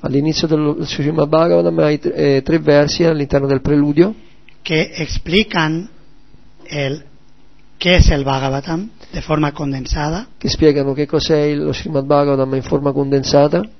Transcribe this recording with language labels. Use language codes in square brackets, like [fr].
[it] All'inizio del Srimad Bhagavatam [es] hay tres versos [it] all'interno del preludio [es] que explican qué es el Bhagavatam de forma condensada. [it] Che spiegano che cos'è lo Srimad Bhagavatam in forma condensata.